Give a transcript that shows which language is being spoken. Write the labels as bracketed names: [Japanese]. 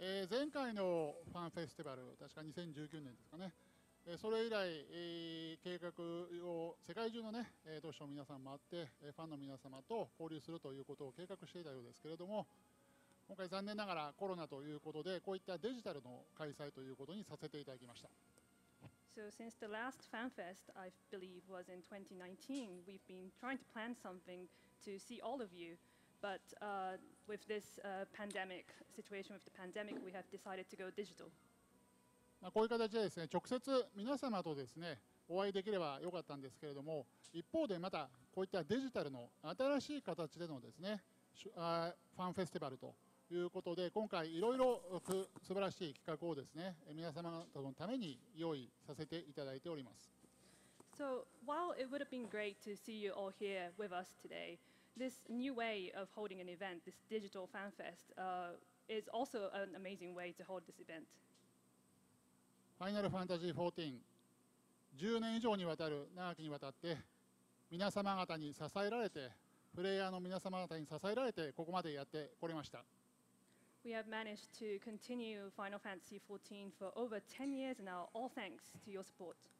[Japanese] 前回のファンフェスティバル、確か2019年ですかね。それ以来、計画を世界中の、ね、都市の皆さんもあって、ファンの皆様と交流するということを計画していたようですけれども、今回残念ながらコロナということで、こういったデジタルの開催ということにさせていただきました。 [English] So since the last FanFest, I believe, was in 2019, we've been trying to plan something to see all of you, but with this pandemic situation, with the pandemic, we have decided to go digital. [Japanese] まあ、こういう形でですね、直接皆様とですね、お会いできればよかったんですけれども、一方でまたこういったデジタルの新しい形でのですね、ファンフェスティバルということで、今回いろいろ素晴らしい企画をですね、皆様とのために用意させていただいております。 [English] So, while it would have been great to see you all here with us today, this new way of holding an event, this digital fan fest, is also an amazing way to hold this event. [Japanese] ファイナルファンタジー14、10年以上にわたる長きにわたって皆様方に支えられて、プレイヤーの皆様方に支えられてここまでやってこれました。 [English] We have managed to continue Final Fantasy 14 for over 10 years now, all thanks to your support.